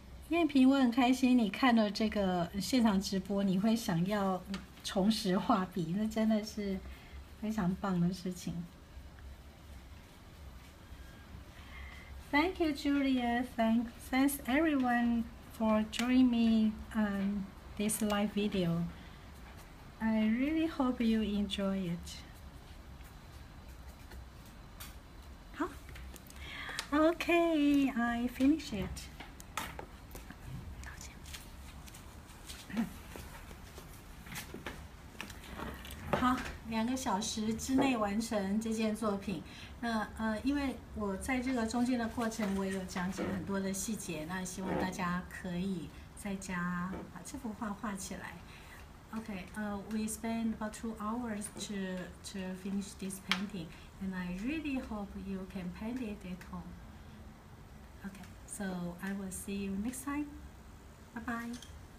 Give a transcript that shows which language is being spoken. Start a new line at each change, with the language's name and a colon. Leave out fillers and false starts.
Chinese: 燕萍，我很开心你看了这个现场直播，你会想要重拾画笔，那真的是非常棒的事情。
English: Thank you, Julia. Thanks everyone for joining me on this live video. I really hope you enjoy it. 好，OK, I finish it.
Chinese: 好，2个小时之内完成这件作品。那因为我在这个中间的过程，我也有讲解很多的细节。那希望大家可以在家把这幅画画起来。
English: OK，we spend about 2 hours to finish this painting, and I really hope you can paint it at home. OK, so I will see you next time. Bye bye.